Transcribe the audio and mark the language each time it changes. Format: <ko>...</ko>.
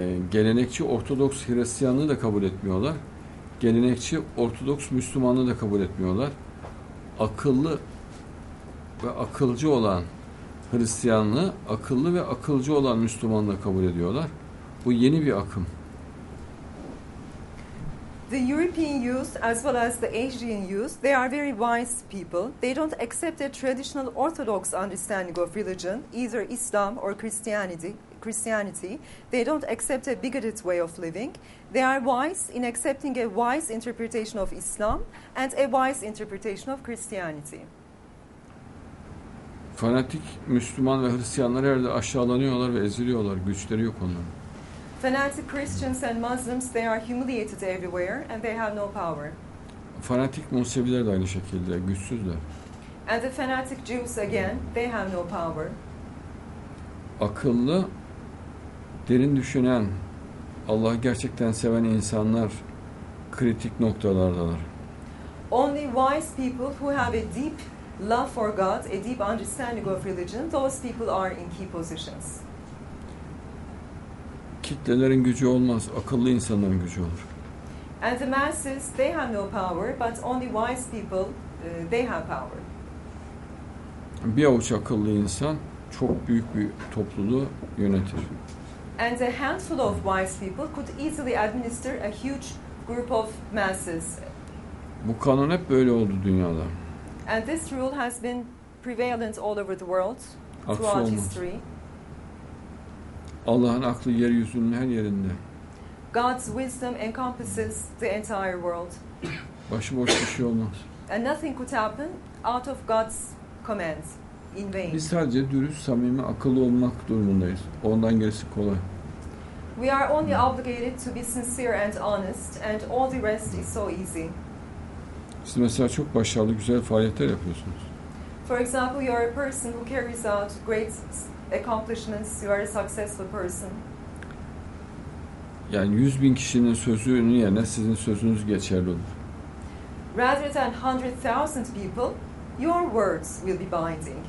<tr>Gelenekçi Ortodoks Hristiyanlığı da kabul etmiyorlar. Gelenekçi Ortodoks Müslümanlığı da kabul etmiyorlar. Akıllı ve akılcı olan Hristiyanlığı, akıllı ve akılcı olan Müslümanlığı kabul ediyorlar. Bu yeni bir akım.</tr> <en>The European youth, as well as the Asian youth, they are very wise people. They don't accept the traditional Orthodox understanding of religion, either Islam or Christianity. They don't accept a bigoted way of living. They are wise in accepting a wise interpretation of Islam and a wise interpretation of Christianity.</en> <tr>Fanatik Müslüman ve Hristiyanlar herhalde aşağılanıyorlar ve eziliyorlar. Güçleri yok onların.</tr> <en>Fanatic Christians and Muslims, they are humiliated everywhere and they have no power.</en> <tr>Fanatik Museviler de aynı şekilde, güçsüzler.</tr> <en>And the fanatic Jews again, they have no power.</en> <tr>Akıllı, derin düşünen, Allah'ı gerçekten seven insanlar kritik noktalardalar.</tr> <en>Only wise people who have a deep love for God, a deep understanding of religion, those people are in key positions.</en> <tr>Kitlelerin gücü olmaz, akıllı insanların gücü olur.</tr> <en>And the masses, they have no power, but only wise people, they have power.</en> <tr>Bir avuç akıllı insan çok büyük bir topluluğu yönetir.</tr> <en>And a handful of wise people could easily administer a huge group of masses.</en> <tr>Bu kanun hep böyle oldu dünyada.</tr> <en>And this rule has been prevalent all over the world throughout history.</en> <tr>Allah'ın aklı yeryüzünün her yerinde.</tr> <en>God's wisdom encompasses the entire world.</en> <tr>Başıboş bir şey olmaz.</tr> <en>And nothing could happen out of God's command in vain.</en> <tr>Biz sadece dürüst, samimi, akıllı olmak durumundayız. Ondan gerisi kolay.</tr> <en>We are only obligated to be sincere and honest and all the rest is so easy.</en> <tr>Siz mesela çok başarılı, güzel faaliyetler yapıyorsunuz.</tr> <en>For example, you are a person who carries out great accomplishments. You are a successful person.</en> <tr>Yani 100,000 kişinin sözünün yerine sizin sözünüz geçerli olur.</tr> <en>Rather than 100,000 people, your words will be binding.</en>